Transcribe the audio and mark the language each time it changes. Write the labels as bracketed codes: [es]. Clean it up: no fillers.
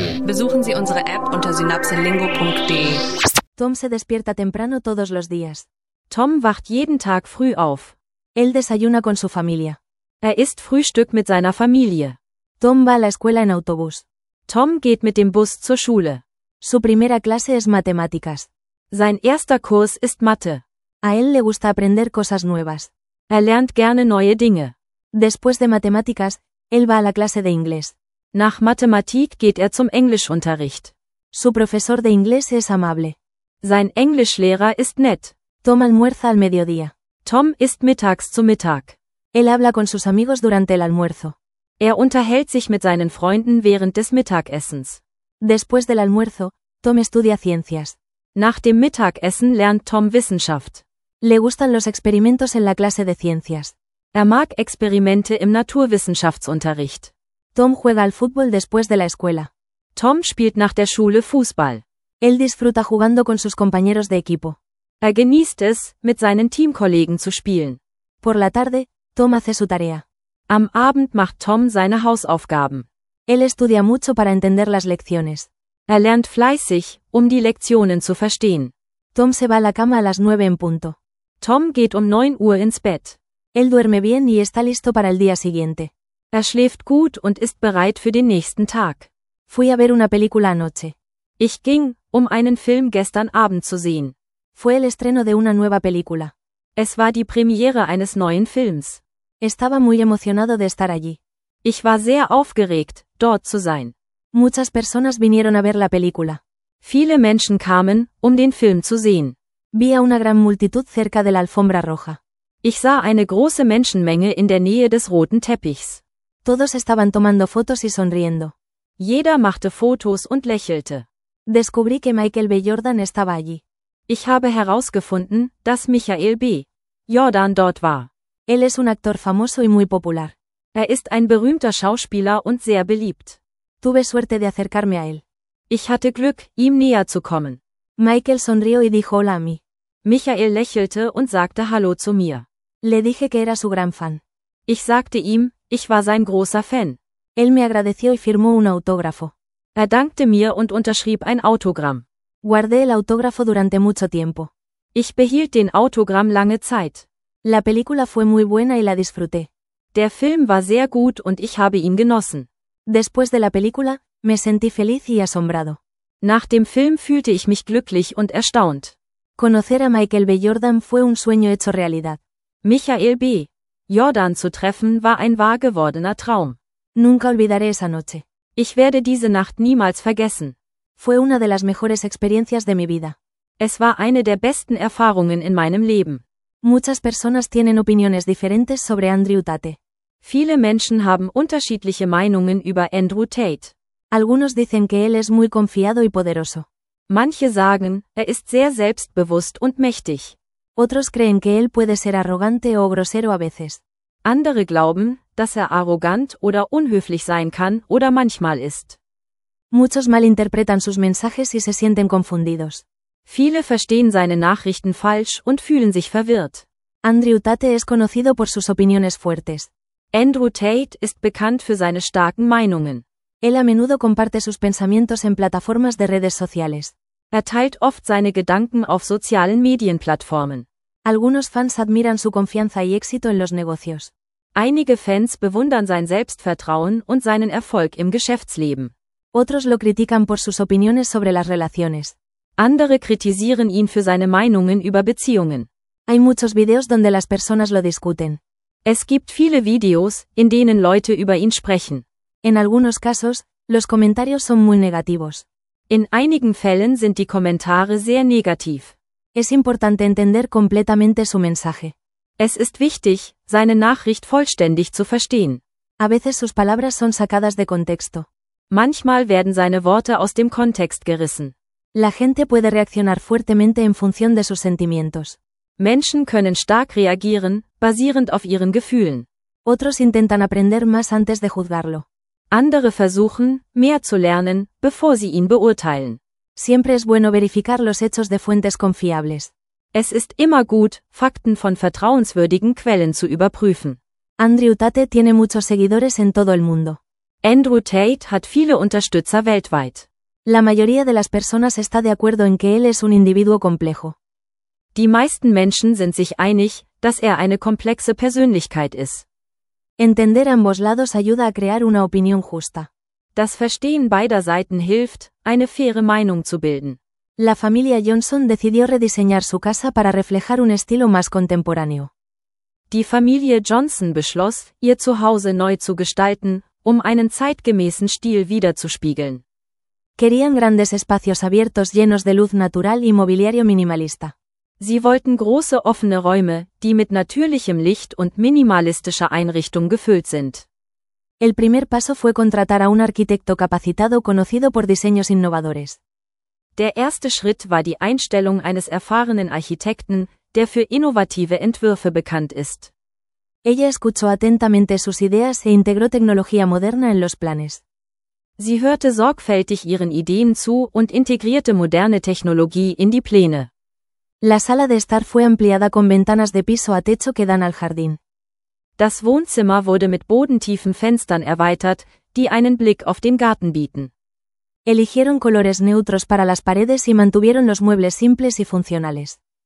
[de] Besuchen Sie unsere App unter synapselingo.de. [es] Tom se despierta temprano todos los días. [de] Tom wacht jeden Tag früh auf. [es] Él desayuna con su familia. [de] Er isst Frühstück mit seiner Familie. [es] Tom va a la escuela en autobús. [de] Tom geht mit dem Bus zur Schule. [es] Su primera clase es matemáticas. [de] Sein erster Kurs ist Mathe. [es] A él le gusta aprender cosas nuevas. [de] Er lernt gerne neue Dinge. [es] Después de matemáticas, él va a la clase de inglés. [de] Nach Mathematik geht er zum Englischunterricht. [es] Su profesor de inglés es amable. [de] Sein Englischlehrer ist nett. [es] Tom almuerza al mediodía. [de] Tom isst mittags zu Mittag. [es] Él habla con sus amigos durante el almuerzo. [de] Er unterhält sich mit seinen Freunden während des Mittagessens. [es] Después del almuerzo, Tom estudia ciencias. [de] Nach dem Mittagessen lernt Tom Wissenschaft. [es] Le gustan los experimentos en la clase de ciencias. [de] Er mag Experimente im Naturwissenschaftsunterricht. [es] Tom juega al fútbol después de la escuela. [de] Tom spielt nach der Schule Fußball. [es] Él disfruta jugando con sus compañeros de equipo. [de] Er genießt es, mit seinen Teamkollegen zu spielen. [es] Por la tarde, Tom hace su tarea. [de] Am Abend macht Tom seine Hausaufgaben. [es] Él estudia mucho para entender las lecciones. [de] Er lernt fleißig, um die Lektionen zu verstehen. [es] Tom se va a la cama a las 9 en punto. [de] Tom geht um 9 Uhr ins Bett. [es] Él duerme bien y está listo para el día siguiente. [de] Er schläft gut und ist bereit für den nächsten Tag. [es] Fui a ver una película anoche. [de] Ich ging, um einen Film gestern Abend zu sehen. [es] Fue el estreno de una nueva película. [de] Es war die Premiere eines neuen Films. [es] Estaba muy emocionado de estar allí. [de] Ich war sehr aufgeregt, dort zu sein. [es] Muchas personas vinieron a ver la película. [de] Viele Menschen kamen, um den Film zu sehen. [es] Vi a una gran multitud cerca de la alfombra roja. [de] Ich sah eine große Menschenmenge in der Nähe des roten Teppichs. [es] Todos estaban tomando fotos y sonriendo. [de] Jeder machte Fotos und lächelte. [es] Descubrí que Michael B. Jordan estaba allí. [de] Ich habe herausgefunden, dass Michael B. Jordan dort war. [es] Él es un actor famoso y muy popular. [de] Er ist ein berühmter Schauspieler und sehr beliebt. [es] Tuve suerte de acercarme a él. [de] Ich hatte Glück, ihm näher zu kommen. [es] Michael sonrió y dijo hola a mí. [de] Michael lächelte und sagte hallo zu mir. [es] Le dije que era su gran fan. [de] Ich sagte ihm, ich war sein großer Fan. [es] Él me agradeció y firmó un autógrafo. [de] Er dankte mir und unterschrieb ein Autogramm. [es] Guardé el autógrafo durante mucho tiempo. [de] Ich behielt den Autogramm lange Zeit. [es] La película fue muy buena y la disfruté. [de] Der Film war sehr gut und ich habe ihn genossen. [es] Después de la película, me sentí feliz y asombrado. [de] Nach dem Film fühlte ich mich glücklich und erstaunt. [es] Conocer a Michael B. Jordan fue un sueño hecho realidad. [de] Michael B. Jordan zu treffen war ein wahr gewordener Traum. [es] Nunca olvidaré esa noche. [de] Ich werde diese Nacht niemals vergessen. [es] Fue una de las mejores experiencias de mi vida. [de] Es war eine der besten Erfahrungen in meinem Leben. [es] Muchas personas tienen opiniones diferentes sobre Andrew Tate. [de] Viele Menschen haben unterschiedliche Meinungen über Andrew Tate. [es] Algunos dicen que él es muy confiado y poderoso. [de] Manche sagen, er ist sehr selbstbewusst und mächtig. [es] Otros creen que él puede ser arrogante o grosero a veces. [de] Andere glauben, dass er arrogant oder unhöflich sein kann oder manchmal ist. [es] Muchos malinterpretan sus mensajes y se sienten confundidos. [de] Viele verstehen seine Nachrichten falsch und fühlen sich verwirrt. [es] Andrew Tate es conocido por sus opiniones fuertes. [de] Andrew Tate ist bekannt für seine starken Meinungen. [es] Él a menudo comparte sus pensamientos en plataformas de redes sociales. [de] Er teilt oft seine Gedanken auf sozialen Medienplattformen. [es] Algunos fans admiran su confianza y éxito en los negocios. [de] Einige Fans bewundern sein Selbstvertrauen und seinen Erfolg im Geschäftsleben. [es] Otros lo critican por sus opiniones sobre las relaciones. [de] Andere kritisieren ihn für seine Meinungen über Beziehungen. [es] Hay muchos videos donde las personas lo discuten. [de] Es gibt viele Videos, in denen Leute über ihn sprechen. [es] En algunos casos, los comentarios son muy negativos. [de] In einigen Fällen sind die Kommentare sehr negativ. [es] Es importante entender completamente su mensaje. [de] Es ist wichtig, seine Nachricht vollständig zu verstehen. [es] A veces sus palabras son sacadas de contexto. [de] Manchmal werden seine Worte aus dem Kontext gerissen. [es] La gente puede reaccionar fuertemente en función de sus sentimientos. [de] Menschen können stark reagieren, basierend auf ihren Gefühlen. [es] Otros intentan aprender más antes de juzgarlo. [de] Andere versuchen, mehr zu lernen, bevor sie ihn beurteilen. [es] Siempre es bueno verificar los hechos de fuentes confiables. [de] Es ist immer gut, Fakten von vertrauenswürdigen Quellen zu überprüfen. [es] Andrew Tate tiene muchos seguidores en todo el mundo. [de] Andrew Tate hat viele Unterstützer weltweit. [es] La mayoría de las personas está de acuerdo en que él es un individuo complejo. [de] Die meisten Menschen sind sich einig, dass er eine komplexe Persönlichkeit ist. [es] Entender ambos lados ayuda a crear una opinión justa. [de] Das Verstehen beider Seiten hilft, eine faire Meinung zu bilden. [es] La familia Johnson decidió rediseñar su casa para reflejar un estilo más contemporáneo. [de] Die Familie Johnson beschloss, ihr Zuhause neu zu gestalten, um einen zeitgemäßen Stil wiederzuspiegeln. [es] Querían grandes espacios abiertos llenos de luz natural y mobiliario minimalista. [de] Sie wollten große offene Räume, die mit natürlichem Licht und minimalistischer Einrichtung gefüllt sind. [es] El primer paso fue contratar a un arquitecto capacitado conocido por diseños innovadores. [de] Der erste Schritt war die Einstellung eines erfahrenen Architekten, der für innovative Entwürfe bekannt ist. [es] Ella escuchó atentamente sus ideas e integró tecnología moderna en los planes. [de] Sie hörte sorgfältig ihren Ideen zu und integrierte moderne Technologie in die Pläne. [es] La sala de estar fue ampliada con ventanas de piso a techo que dan al jardín. [de] Das Wohnzimmer wurde mit bodentiefen Fenstern erweitert, die einen Blick auf den Garten bieten. [es] Eligieron colores neutros para las paredes y mantuvieron los muebles simples y funcionales.